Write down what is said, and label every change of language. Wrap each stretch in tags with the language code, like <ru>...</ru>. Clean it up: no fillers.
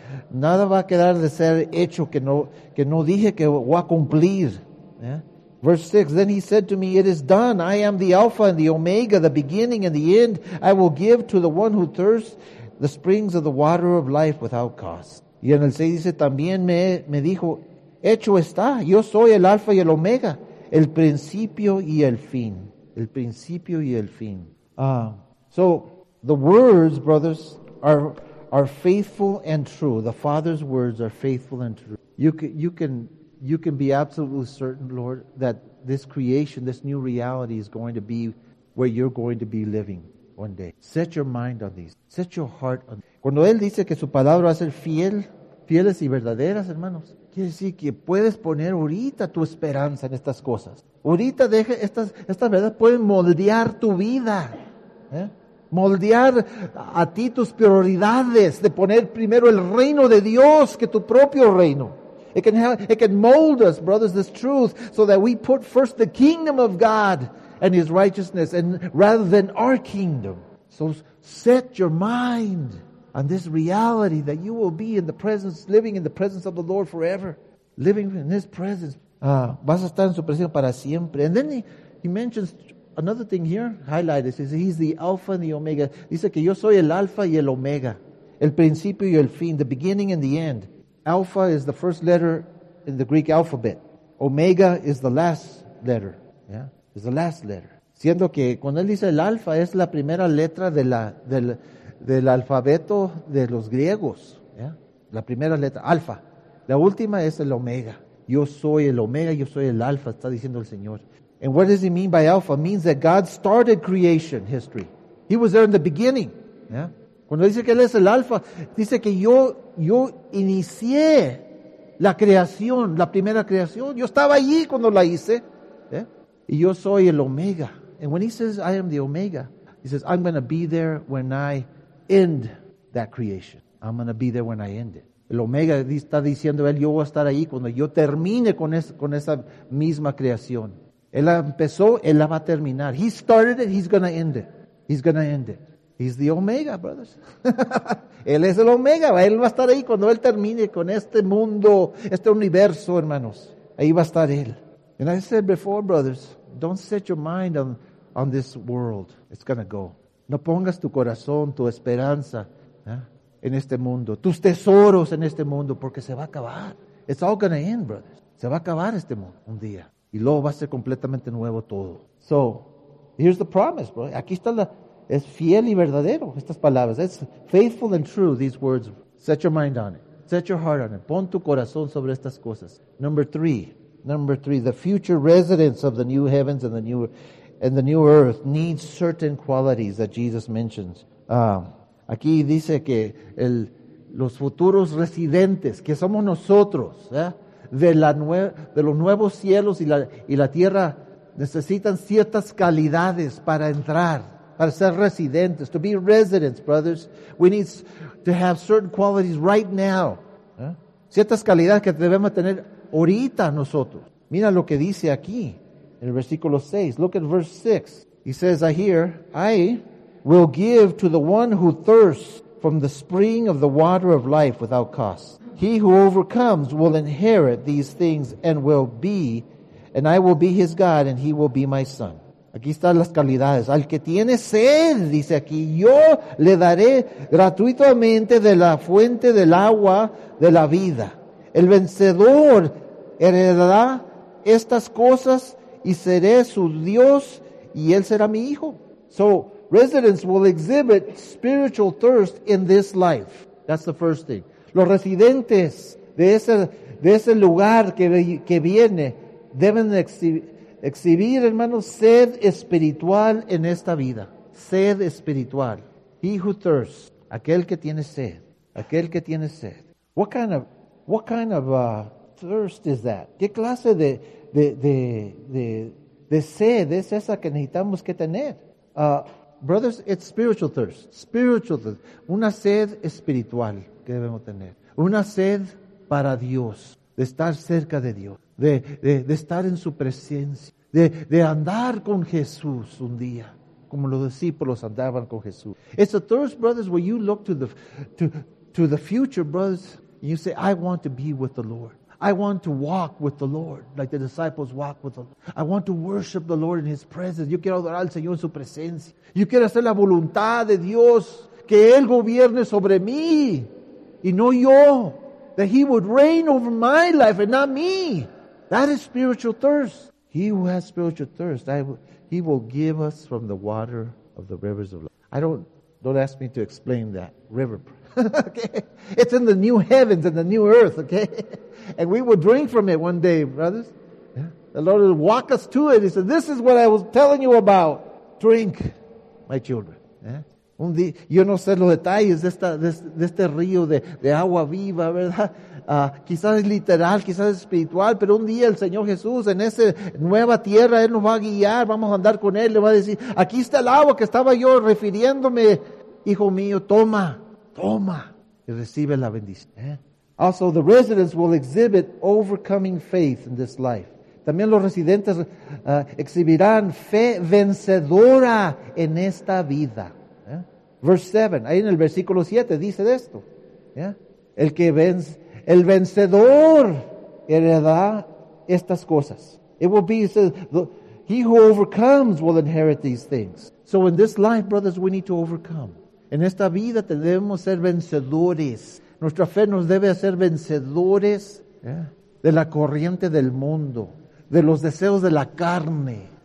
<es>Nada va a quedar de ser hecho que no dije que voy a cumplir.</es> <en>Verse 6, "Then he said to me, 'It is done. I am the Alpha and the Omega, the beginning and the end. I will give to the one who thirsts the springs of the water of life without cost.'"</en> <es>Y en el 6 dice, "También me dijo, 'Hecho está. Yo soy el Alpha y el Omega, el principio y el fin.'" El principio y el fin.</es> <en>So the words, brothers, are faithful and true. The Father's words are faithful and true. You can be absolutely certain, Lord, that this creation, this new reality, is going to be where you're going to be living one day. Set your mind on these. Set your heart on these.</en> <es>Cuando él dice que su palabra va a ser fieles y verdaderas, hermanos, quiere decir que puedes poner ahorita tu esperanza en estas cosas. Ahorita deja estas verdades pueden moldear tu vida. Moldear a ti tus prioridades de poner primero el reino de Dios que tu propio reino.</es> <en>It can mold us, brothers, this truth, so that we put first the kingdom of God and his righteousness and rather than our kingdom. So set your mind on this reality that you will be in the presence, living in the presence of the Lord forever. Living in his presence.</en> <es>Vas a estar en su presencia para siempre.</es> <en>And then he mentions another thing here, highlighted. He says he's the Alpha and the Omega.</en> <es>Dice que yo soy el Alpha y el Omega. El principio y el fin,</es> <en>the beginning and the end. Alpha is the first letter in the Greek alphabet. Omega is the last letter. Yeah, is the last letter.</en> <es>Siendo que cuando él dice el alfa es la primera letra de del alfabeto de los griegos. Yeah, la primera letra, alfa. La última es el omega. Yo soy el omega, yo soy el alfa, está diciendo el Señor.</es> <en>And what does he mean by alpha? It means that God started creation history. He was there in the beginning. Yeah.</en> <es>Cuando dice que él es el alfa, dice que yo inicié la creación, la primera creación. Yo estaba allí cuando la hice. ¿Eh? Y yo soy el omega.</es> <en>And when he says, "I am the omega," he says, "I'm going to be there when I end that creation. I'm going to be there when I end it."</en> <es>El omega está diciendo él, yo voy a estar ahí cuando yo termine con esa misma creación. Él empezó, él la va a terminar.</es> <en>He started it, he's going to end it. He's going to end it. He's the Omega, brothers.</en> <es>Él es el Omega. Él va a estar ahí cuando él termine con este mundo, este universo, hermanos. Ahí va a estar él.</es> <en>And I said before, brothers, don't set your mind on this world. It's going to go.</en> <es>No pongas tu corazón, tu esperanza en este mundo. Tus tesoros en este mundo, porque se va a acabar.</es> <en>It's all going to end, brothers.</en> <es>Se va a acabar este mundo un día. Y luego va a ser completamente nuevo todo.</es> <en>So, here's the promise, bro.</en> <es>Aquí está la... Es fiel y verdadero estas palabras.</es> <en>It's faithful and true, these words. Set your mind on it. Set your heart on it.</en> <es>Pon tu corazón sobre estas cosas.</es> <en>Number three, the future residence of the new heavens and the new earth needs certain qualities that Jesus mentions.</en> <es>Aquí dice que los futuros residentes, que somos nosotros, de los nuevos cielos y la tierra, necesitan ciertas calidades para entrar. Para ser residentes,</es> <en>to be residents, brothers, we need to have certain qualities right now.</en> <es>Ciertas calidades que debemos tener ahorita nosotros. Mira lo que dice aquí, en el versículo 6.</es> <en>Look at verse 6. He says, "I hear, I will give to the one who thirsts from the spring of the water of life without cost. He who overcomes will inherit these things and will be, and I will be his God and he will be my son."</en> <es>Aquí están las calidades. Al que tiene sed, dice aquí, yo le daré gratuitamente de la fuente del agua de la vida. El vencedor heredará estas cosas y seré su Dios y él será mi hijo.</es> <en>So, residents will exhibit spiritual thirst in this life. That's the first thing.</en> <es>Los residentes de ese de ese lugar que viene, deben exhibir, hermanos, sed espiritual en esta vida. Sed espiritual.</es> <en>He who thirsts,</en> <es>aquel que tiene sed, aquel que tiene sed.</es> <en>What kind of thirst is that?</en> <es>¿Qué clase de sed es esa que necesitamos que tener?</es> <en>Brothers, it's spiritual thirst. Spiritual thirst.</en> <es>Una sed espiritual que debemos tener. Una sed para Dios. De estar cerca de Dios. De estar en su presencia. De andar con Jesús un día. Como los discípulos andaban con Jesús.</es> <en>It's a thirst, brothers, where you look to the future, brothers, and you say, I want to be with the Lord. I want to walk with the Lord, like the disciples walk with the Lord. I want to worship the Lord in His presence.</en> <es>Yo quiero adorar al Señor en su presencia. Yo quiero hacer la voluntad de Dios, que Él gobierne sobre mí, y no yo.</es> <en>That He would reign over my life and not me. That is spiritual thirst. He who has spiritual thirst, He will give us from the water of the rivers of life. Don't ask me to explain that. River. Okay. It's in the new heavens and the new earth, okay? And we will drink from it one day, brothers. The Lord will walk us to it. He said, this is what I was telling you about. Drink, my children.</en> <es>Un día, yo no sé los detalles de este río de agua viva, ¿verdad? Quizás es literal, quizás es espiritual, pero un día el Señor Jesús en esa nueva tierra, Él nos va a guiar, vamos a andar con Él, le va a decir, aquí está el agua que estaba yo refiriéndome, hijo mío, toma. Toma y recibe la bendición.</es> <en>Also, the residents will exhibit overcoming faith in this life.</en> <es>También los residentes exhibirán fe vencedora en esta vida.</es> <en>Verse 7,</en> <es>ahí en el versículo 7 dice esto. El vencedor heredará estas cosas.</es> <en>It will be, it says, he who overcomes will inherit these things. So in this life, brothers, we need to overcome.</en> <es>En esta vida debemos ser vencedores. Nuestra fe nos debe hacer vencedores de la corriente del mundo, de los deseos de la carne.</es>